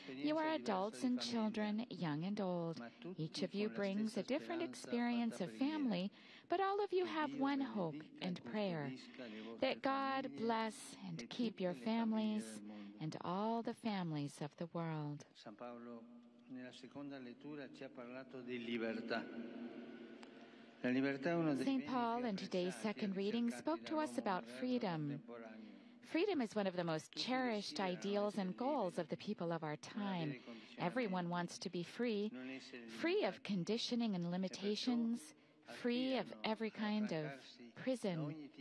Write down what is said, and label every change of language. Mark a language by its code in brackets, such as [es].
[en] You are adults and children, young and old. Each of you brings a different experience of family, but all of you have one hope and prayer, that God bless and keep your families and all the families of the world. [it] San Paolo, nella seconda lettura, ci ha parlato di libertà. [en] St. Paul, in today's second reading, spoke to us about freedom. Freedom is one of the most cherished ideals and goals of the people of our time. Everyone wants to be free, free of conditioning and limitations, free of every kind of prison.